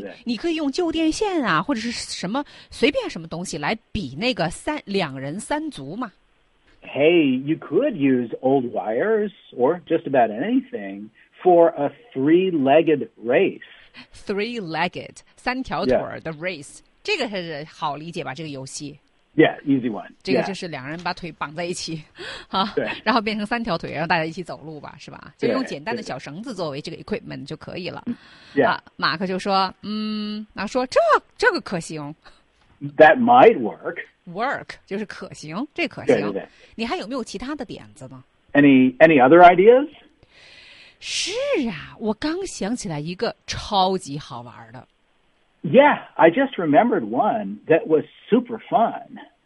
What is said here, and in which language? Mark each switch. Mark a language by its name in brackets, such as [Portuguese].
[Chinese] 你可以用旧电线啊，或者是什么随便什么东西来比那个两人三足嘛。 [English] hey, you could use old wires or just about anything for a three-legged race. Three-legged, [Chinese] 三条腿, [English] yeah. The race. [Chinese] 这个是好理解吧，这个游戏。 [English] Yeah, easy one. [Chinese] 这个就是两人把腿绑在一起，哈、 [English] yeah. ， [Chinese] 然后变成三条腿，让大家一起走路吧，是吧？就用简单的小绳子作为这个 equipment 就可以了。 [English] Yeah. [Chinese] 马克就说，那说这个可行。 [English] That might work. [Chinese] Work 就是可行，这可行。对对对。你还有没有其他的点子呢 [English] ？Any other ideas? [Chinese] 是啊，我刚想起来一个超级好玩的。 [English] Yeah, I just remembered one that was super fun.